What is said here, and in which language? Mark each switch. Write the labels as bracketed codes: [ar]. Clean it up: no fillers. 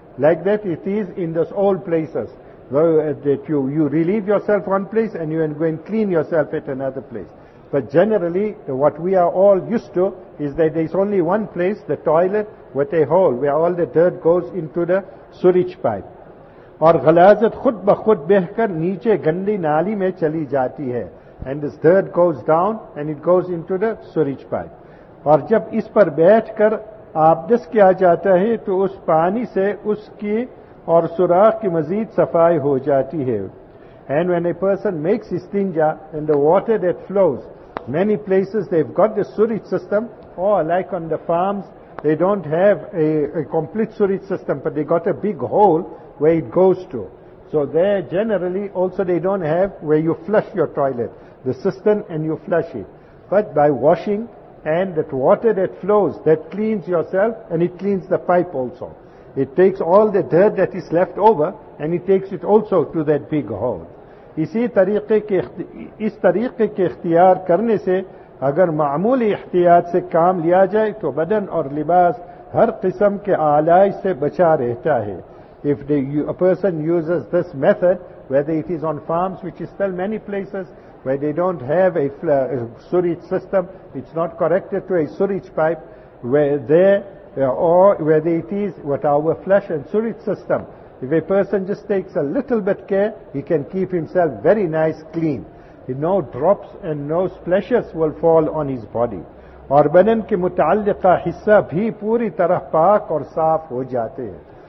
[en] Like that it is in those old places. That you relieve yourself one place and you go and clean yourself at another place. But generally, what we are all used to is that there is only one place, the toilet, with a hole where all the dirt goes into the sewage pipe. [ur] اور غلاظت خود بخود بہ کر نیچے گندی نالی میں چلی جاتی ہے. [en] And this dirt goes down and it goes into the sewage pipe. [ur] اور جب اس پر بیٹھ کر آبدس کیا جاتا ہے تو اس پانی سے اس کی اور سوراخ کی مزید صفائی ہو جاتی ہے. [en] And when a person makes istinja, and the water that flows, many places they've got the sewage system, or like on the farms, they don't have a complete sewage system, but they got a big hole where it goes to. So there generally also they don't have where you flush your toilet, the cistern, and you flush it. But by washing, and that water that flows, that cleans yourself, and it cleans the pipe also. It takes all the dirt that is left over and it takes it also to that big hole. [ur] اس طریقے کے اختیار کرنے سے اگر معمولی احتیاط سے کام لیا جائے تو بدن اور لباس ہر قسم کے آلائش سے بچا رہتا ہے. [en] If a person uses this method, whether it is on farms, which is still many places where they don't have a sewage system, it's not connected to a sewage pipe, or whether it is what our flesh and sewage system. If a person just takes a little bit care, he can keep himself very nice clean. No drops and no splashes will fall on his body. [ur] اور بدن کے متعلقہ حصہ بھی پوری طرح پاک اور صاف ہو جاتے ہیں.